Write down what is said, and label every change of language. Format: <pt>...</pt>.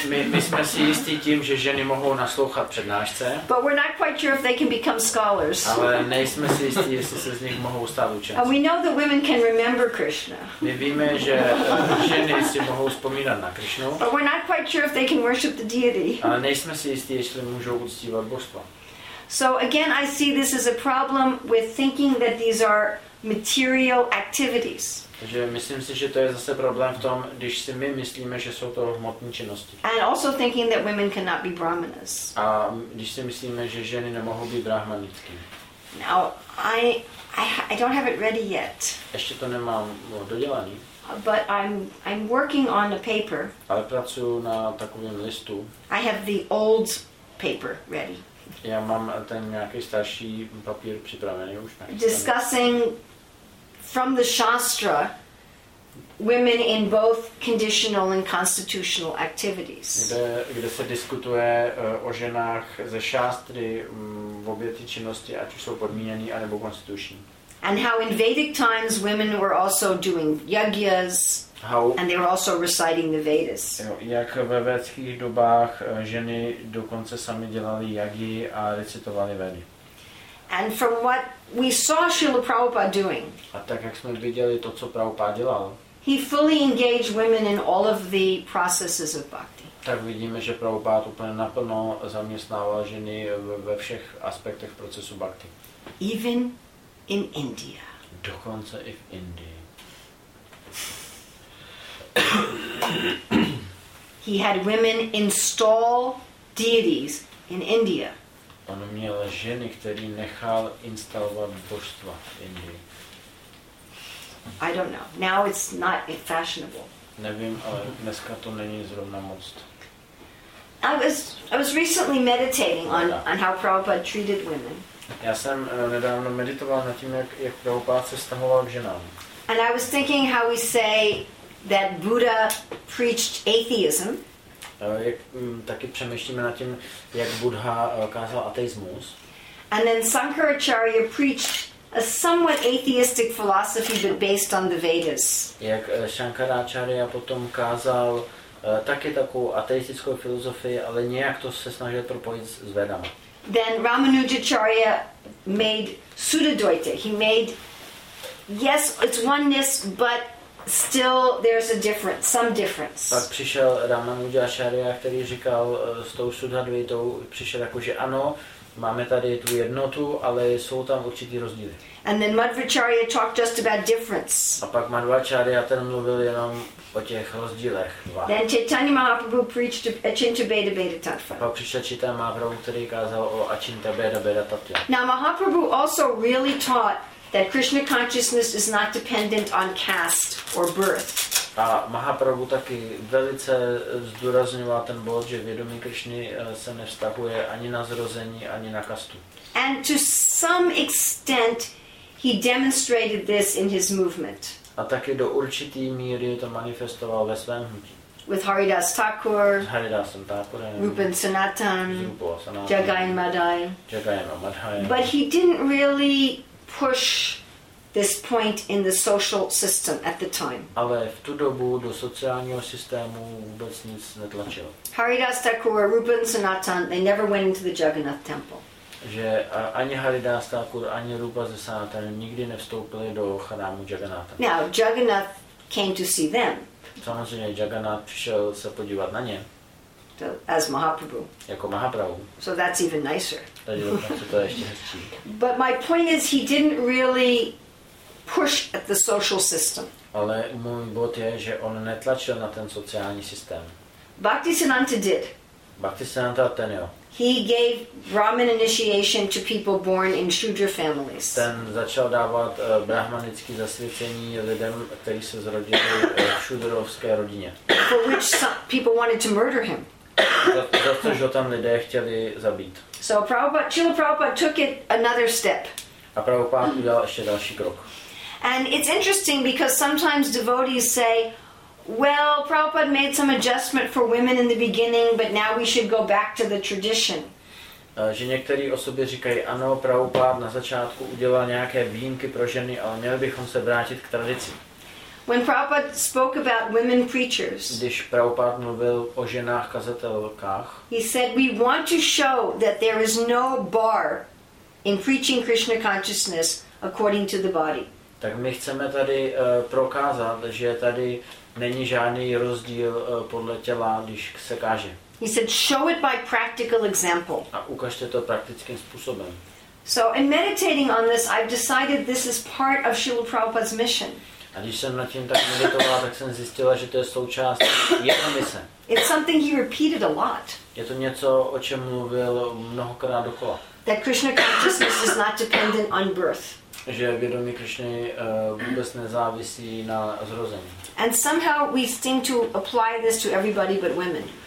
<cs>My jsme si jistí tím, že ženy mohou naslouchat přednášce.</cs> <en>But we're not quite sure if they can become scholars.</en> <cs>Ale nejsme si jistí, jestli se z nich mohou stát učenci.</cs> <en>And we know that women can remember Krishna.</en> <cs>My víme, že ženy si mohou vzpomínat na Krishnu.</cs> <en>But we're not quite sure if they can worship the deity.</en> <cs>Ale nejsme si jistí, jestli můžou uctívat božstva.</cs> <en>So again, I see this as a problem with thinking that these are material activities.</en> <cs>Takže myslím si, že to je zase problém v tom, když si my myslíme, že jsou to hmotní činnosti.</cs> <en>And also thinking that women cannot be brahmanas.</en> <cs>A když si myslíme, že ženy nemohou být brahmanické.</cs> <en>Now I don't have it ready yet.</en> <cs>Ještě to nemám dodělaný.</cs> <en>But I'm working on a paper.</en> <cs>Ale pracuji na takovém listu.</cs> <en>I have the old paper ready.</en> <cs>Já mám ten nějaký starší papír připravený už.</cs> <en>Discussing from the Shastra women in both conditional and constitutional activities.</en> <cs>Kde se diskutuje o ženách ze šástry v obě ty činnosti, ať už jsou podmíněný anebo konstituční.</cs> <en>And how in Vedic times women were also doing yajñas and they were also reciting the Vedas.</en> <cs>Jak ve védských dobách ženy dokonce sami dělali jagy a recitovali vedy.</cs> <en>And from what we saw Srila Prabhupada doing.</en> <cs>A tak jak jsme viděli to, co Prabhupada dělal.</cs> <en>He fully engaged women in all of the processes of bhakti.</en> <cs>Tak vidíme, že Prabhupada úplně naplno zaměstnával ženy ve všech aspektech procesu bhakti.</cs> <en>Even in India.</en> <cs>Dokonce i v Indii.</cs> <en>He had women install deities in India.</en> <cs>On měl ženy, který nechal instalovat božstva v Indii.</cs> <en>I don't know. Now it's not fashionable.</en> <cs>Nevím, ale dneska to není zrovna moc.</cs> <en>I was recently meditating on how Prabhupada treated women.</en> <cs>Já jsem nedávno meditoval nad tím, jak Prabhupada se vztahoval k ženám.</cs> <en>And I was thinking how we say that Buddha preached atheism.</en> <cs>Taky přemýšlíme nad tím, jak Buddha kázal ateismus.</cs> <en>And then Shankaracharya preached a somewhat atheistic philosophy, but based on the Vedas.</en> <cs>Jak Shankaracharya potom kázal taky takovou ateistickou filozofii, ale nějak to se snažil propojit s Vedama.</cs> <en>Then Ramanujacharya made Suddhodvaita. He made, yes, it's oneness, but still there's a difference, some difference.</en> <cs>Pak přišel Ramanujacharya, který říkal s tou Suddhodvaitou, přišel jako, že ano, máme tady tu jednotu, ale jsou tam určitý rozdíly.</cs> <en>And then Madhvacharya talked just about difference.</en> <cs>A pak Madhvacharya ten mluvil jenom o těch rozdílech.</cs> <en>Then Chaitanya Mahaprabhu preached Achintya Bheda Tattva.</en> <cs>Pak přišel Chaitanya Mahaprabhu, který kázal o Achintya Bheda Tattva.</cs> <en>Now Mahaprabhu also really taught that Krishna consciousness is not dependent on caste or birth.</en> <cs>A Mahaprabhu taky velice zdůrazňoval ten bod, že vědomí Krišny se nevztahuje ani na zrození, ani na kastu.</cs> <en>And to some extent he demonstrated this in his movement.</en> <cs>A taky do určitý míry to manifestoval ve svém hnutí.</cs> <en>With Haridas Thakur,</en> <cs>s Haridasem Thakurem,</cs> <en>Rupen Sanatan, Jagain Madai.</en> <cs>Jagain Madai.</cs> <en>But he didn't really push this point in the social system at the time.</en> <cs>Ale v tu dobu do sociálního systému vůbec nic netlačil.</cs> <en>Haridas Thakur, Rupen Sanatan, they never went into the Jagannath temple.</en> <cs>Že ani Haridas Thakur, ani Rupa ze Sanatan nikdy nevstoupili do chrámu Jagannatha.</cs> <en>Now Jagannath came to see them.</en> <cs>Samozřejmě Jagannath přišel se podívat na ně.</cs> <en>As Mahaprabhu.</en> <cs>Jako Mahaprabhu.</cs> <en>So that's even nicer.</en> <cs>Takže to je ještě hezčí.</cs> <en>But my point is he didn't really push at the social system.</en> <cs>Ale můj bod je, že on netlačil na ten sociální systém.</cs> <en>Bhaktisiddhanta did.</en> <cs>Bhaktisiddhanta ten jo.</cs> <en>He gave Brahmin initiation to people born in Shudra families.</en> <cs>Ten začal dávat brahmanické zasvěcení lidem, kteří se zrodili v šudrovské rodině.</cs> <en>For which some people wanted to murder him.</en> <cs>Protože ho tam lidé chtěli zabít.</cs> <en>So Prabhupada took it another step.</en> <cs>A Prabhupada udělal ještě další krok.</cs> <en>And it's interesting because sometimes devotees say, well, Prabhupada made some adjustment for women in the beginning, but now we should go back to the tradition.</en> <cs>Že některé osoby říkají, ano, Prabhupada na začátku udělal nějaké výjimky pro ženy, ale měli bychom se vrátit k tradici.</cs> <en>When Prabhupada spoke about women preachers,</en> <cs>když Prabhupada mluvil o ženách kazatelkách,</cs> <en>he said, we want to show that there is no bar in preaching Krishna consciousness according to the body.</en> <cs>Tak my chceme tady prokázat, že tady není žádný rozdíl podle těla, když se káže.</cs> <en>He said, show it by practical example.</en> <cs>A ukažte to praktickým způsobem.</cs> <en>So in meditating on this, I've decided this is part of Srila Prabhupada's mission.</en> <cs>A když jsem nad tím tak meditovala, tak jsem zjistila, že to je součást jeho mise.</cs> <en>It's something he repeated a lot.</en> <cs>Je to něco, o čem mluvil mnohokrát dokola.</cs> <en>That Krishna consciousness is not dependent on birth.</en> <cs>Že vědomí Krishny vůbec nezávisí na zrození.</cs> <en>And somehow we seem to apply this to everybody but women.</en>